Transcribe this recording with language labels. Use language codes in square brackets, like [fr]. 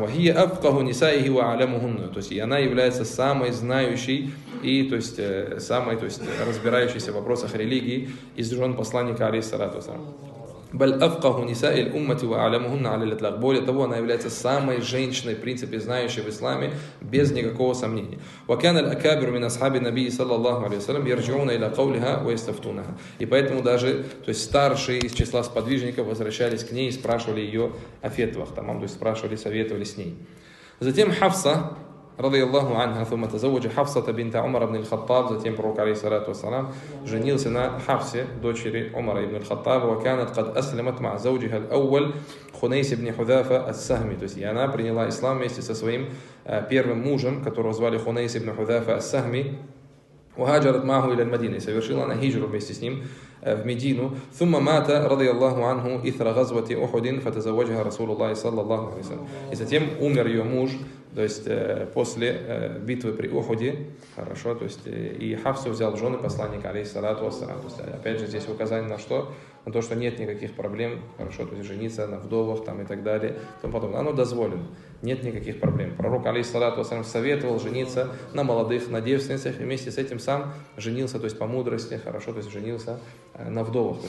[ar] Вахия афкаху нисаихи ва алямухунна. [ru] То есть и она является самой знающей и то есть, самой то есть, разбирающейся в вопросах религии из жен посланника, алейхиссалату вассалям. [ar] Баль афкаху нисаиль уммати ва алямухунна алейлитлах. [ru] Более того, она является самой женщиной, в принципе, знающей в исламе, без никакого сомнения. [ar] وكان الأكابر من أصحاب النبي صلى الله عليه وسلم يرجعون إلى قولها ويستفتونها. [ru] И поэтому даже, то есть старшие из числа сподвижников возвращались к ней и спрашивали ее о фетвах, тамам, то есть спрашивали, советовали с ней. [ar] Затем Хафса رضي الله عنها ثم تزوج حفصة بنت عمر بن الخطاب [ru] затем пророк алейхиссалату вассалам женился на Хафсе дочери Умара ибн аль-Хаттаба [ar] وكانت قد أسلمت مع زوجها الأول خنيس بن حذافة السهمي. [ru] То есть и она приняла ислам вместе со своим первым мужем, которого звали Хунейс ибн Хузафа ас-Сахми. [ar] وهاجرت معه الى المدينه. [ru] Совершила она хиджру вместе с ним в Медину. [ar] ثم مات رضي الله عنه اثر غزوة احد فتزوجها رسول الله صلى الله عليه وسلم. [ru] И затем умер ее муж, то есть после битвы при Ухуде, хорошо, то есть и Хафсу взял жены посланника, алейхиссалату вассалям. То есть опять же здесь указание на что? На то, что нет никаких проблем, хорошо, то есть жениться на вдовах там и так далее, и тому подобное. Оно дозволено, нет никаких проблем. Пророк, алейхиссалату вассалям, советовал жениться на молодых, на девственницах, и вместе с этим сам женился, то есть по мудрости, хорошо, то есть женился на вдовах.